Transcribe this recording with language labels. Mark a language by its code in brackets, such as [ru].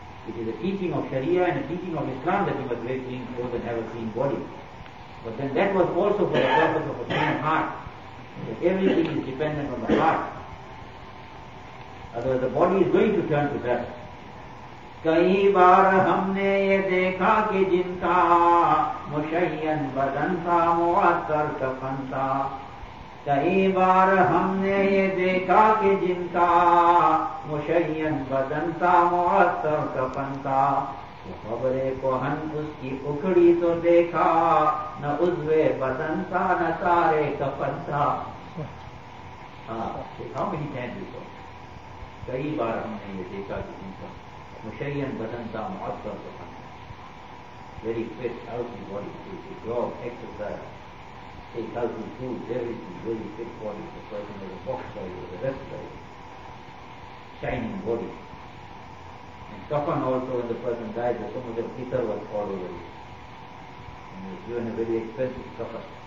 [en] It is a teaching of Sharia and a teaching of Islam that you must wear clean clothes and have a clean body. But then that was also for the purpose of a clean heart. That everything is dependent on the heart. Otherwise the body is going to turn to dust. [hi] कई बार हमने ये देखा कि जिनका मुशय्यन बदन था मुअत्तर कफन था कई बार हमने ये देखा कि जिनका मुशय्यन बदन था मुअत्तर कफन था कब्रे कोहन उसकी उखड़ी तो देखा न उज्वे बदन था न तारे कफन था हाँ देखा कई बार हमने ये देखा कि जिनका Mushayyan Badanta Mu'attar Kafan. [en] Very fit, healthy body. If you job, exercise, take healthy food, everything, very fit body. The person has a boxer, he has a wrestler, shining body. And Kafan also, when the person dies, there's so much of bitter was all over him. And he was given a very expensive Kafan.